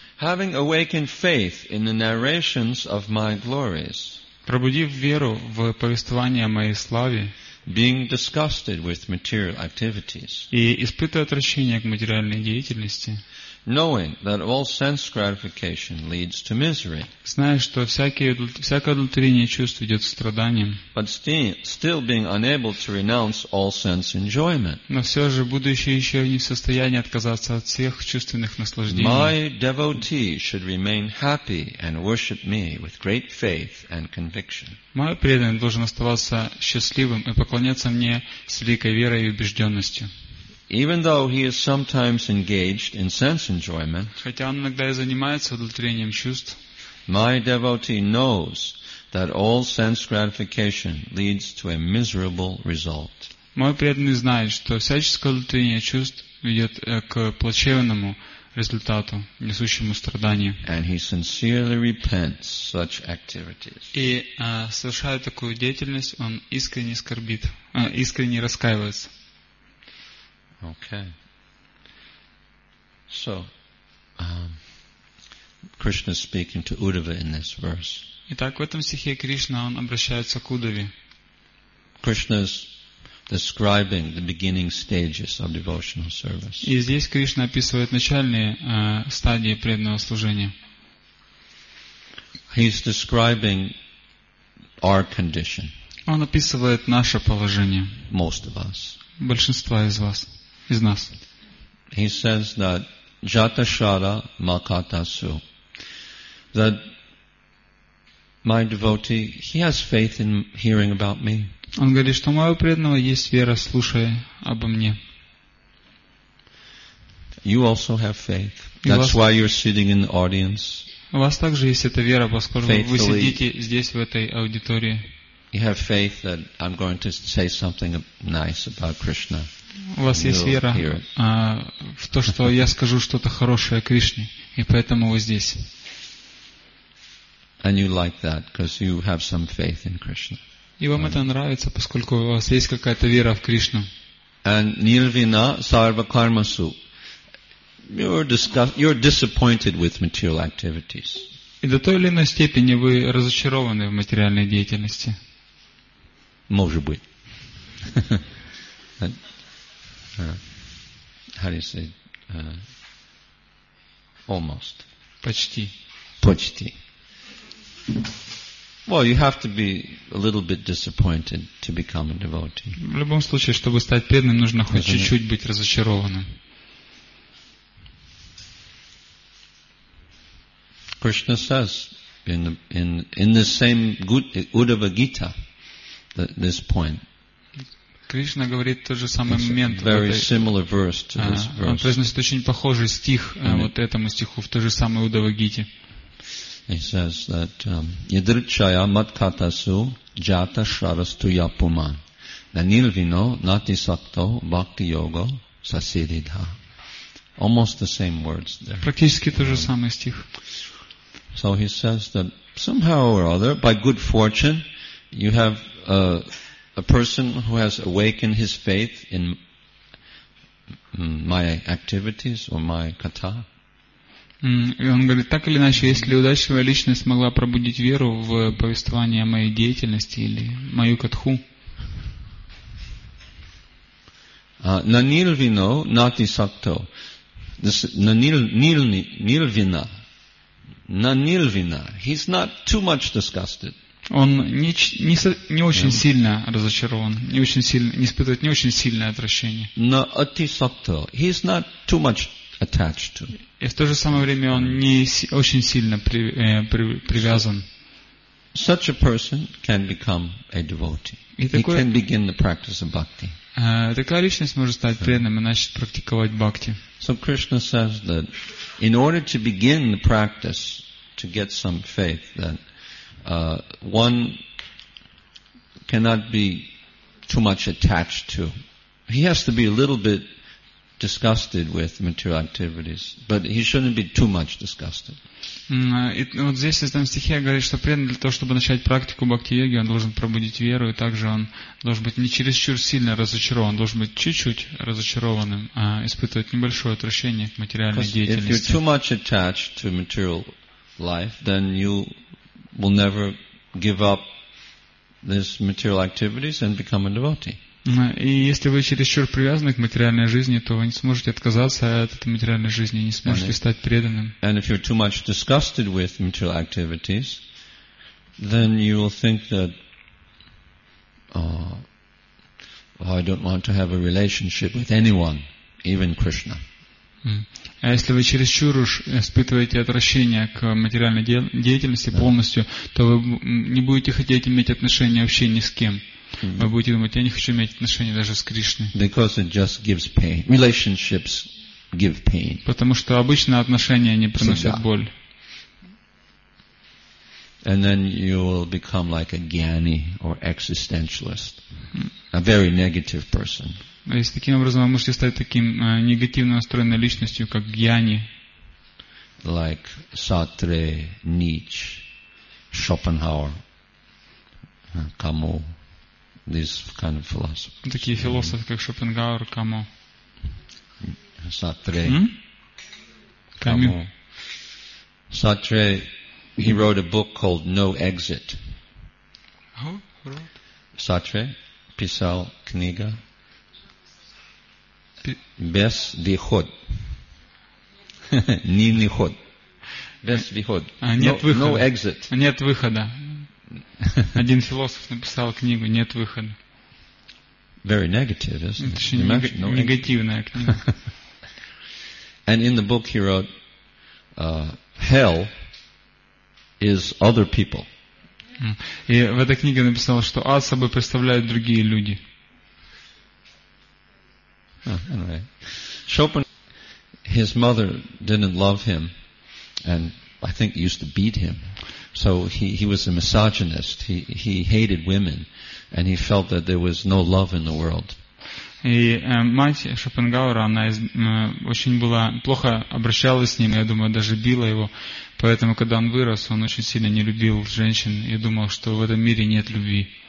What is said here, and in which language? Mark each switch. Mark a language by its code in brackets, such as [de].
[en] Having awakened faith in the narrations of my glories, [ru] пробудив веру в повествование о моей славе, [en] being disgusted with material activities, [ru] и испытывая отвращение к материальной деятельности, [en] knowing that all sense gratification leads to misery, [ru] зная, что всякое удовлетворение чувств ведет к страданиям, [en] but still being unable to renounce all sense enjoyment, [ru] но все же будучи еще не в состоянии отказаться от всех чувственных наслаждений, [en] my devotee should remain happy and worship me with great faith and conviction. [ru] Мой преданный должен оставаться счастливым и поклоняться мне с великой верой и убежденностью. [en] Even though he is sometimes engaged in sense enjoyment, [ru] хотя он иногда и занимается удовлетворением чувств, [en] my devotee knows that all sense gratification leads to a miserable result. [ru] Мой преданный знает, что всяческое удовлетворение чувств ведет к плачевному результату, несущему страдания. [en] And he sincerely repents such activities. [ru] И совершая такую деятельность, он искренне скорбит, искренне раскаивается. [en] Okay. So, Krishna is speaking to Uddhava in this verse. [ru] Итак, в этом стихе Кришна он обращается к Удаве. [en] Krishna is describing the beginning stages of devotional service. [ru] И здесь Кришна описывает начальные стадии преданного служения. [en] He's describing our condition. [ru] Он описывает наше положение. [en] Most of us. [ru] Большинство из вас, из нас. [en] He says that [sa] jatashara makatasu. [en] That my devotee, he has faith in hearing about me. [ru] Он говорит, что у моего преданного есть вера, слушая обо мне. [en] You also have faith. That's why you're sitting in the audience. [ru] У вас также есть эта вера, поскольку вы сидите здесь, в этой аудитории. [en] You have faith that I'm going to say something nice about Krishna. [ru] У вас есть вера в то, что я скажу что-то хорошее о Кришне, и поэтому вы здесь. [en] And you like that because you have some faith in Krishna. [ru] И вам это нравится, поскольку у вас есть какая-то вера в Кришну. [sa] And nirvina sarva karmasu. [en] You're disappointed with material activities. [ru] И до той или иной степени вы разочарованы в материальной деятельности. Может быть. [en] How do you say? Almost. [ru] Почти. Почти. [en] Well, you have to be a little bit disappointed to become a devotee. [ru] В любом случае, чтобы стать преданным, нужно хоть чуть-чуть быть разочарованным. [en] Krishna says in the same Uddhava Gita that this point. [ru] Кришна говорит тот же самый момент. [en] Very similar verse to this verse. [ru] Он произносит очень похожий стих вот этому стиху в той же самой Uddhava Gita. [sa] He says that yadrchaya matkatasu jata sharastu yapuman nanilvino nati sakto bhakti yoga sasididha. [en] Almost the same words there. [ru] Практически тот же самый стих. [en] So he says that somehow or other, by good fortune, you have a person who has awakened his faith in my activities or my katha. [ru] И он говорит, так или иначе, если удачливая личность смогла пробудить веру в повествование о моей деятельности или мою катху. [sa] Nanilvino nati sakto. Nanilvina. Nanilvina. [en] He's not too much disgusted. [ru] Он не очень сильно разочарован, не испытывает не очень сильное отвращение. [sa] Nati sakto. [en] He's not too much attached to. [ru] И в то же самое время он не очень сильно привязан. [en] Such a person can become a devotee. He can begin the practice of bhakti. [ru] Такая личность может стать преданным и начать практиковать бхакти. [en] So Krishna says that in order to begin the practice to get some faith, that one cannot be too much attached to. He has to be a little bit disgusted with material activities, but he shouldn't be too much disgusted. [ru] Вот здесь в этом стихе говорит, что преданный для того, чтобы начать практику бхакти-йоги, он должен пробудить веру, и также он должен быть не чересчур сильно разочарован, он должен быть чуть-чуть разочарованным, а испытывать небольшое отвращение к материальной деятельности. [en] Because if you're too much attached to material life, then you will never give up these material activities and become a devotee. [ru] И если вы чересчур привязаны к материальной жизни, то вы не сможете отказаться от этой материальной жизни, не сможете стать преданным. [en] And if you're too much disgusted with material activities, then you will think that I don't want to have a relationship with anyone, even Krishna. [ru] А если вы чересчур уж испытываете отвращение к материальной деятельности полностью, то вы не будете хотеть иметь отношения вообще ни с кем. Вы будете думать, я не хочу иметь отношения даже с Кришной. [en] Because it just gives pain. Relationships give pain. [ru] Потому что обычно отношения не приносят боль. [en] And then you will become like a gyani or existentialist, a very negative person. [ru] И таким образом вы можете стать таким негативно настроенной личностью, как гьяни. [en] Like Сартре, Ницше, Шопенгауэр, Камю. These kind of philosophers. [ru] Такие философы, как Шопенгауэр, Камю. Сартре. кому. [en] Sartre, he wrote a book called No Exit. Who wrote? [ru] Sartre писал книга Без выход. Ни выход. Без выход. Нет выхода. [en] No exit. [ru] Нет выхода. Один философ написал книгу «Нет выхода». [en] Very negative, isn't it? No [ru] негативная [en] exit. [ru] Книга. [en] And in the book he wrote, hell is other people. [ru] И в этой книге написал, что ад собой представляют другие люди. [en] Anyway, Chopin, his mother didn't love him, and I think used to beat him. So he was a misogynist. He hated women, and he felt that there was no love in the world. [ru] И мать Шопенгауэра, она очень была плохо обращалась с ним, я думаю, даже била его. Поэтому, когда он вырос, он очень сильно не любил женщин и думал, что в этом мире нет любви.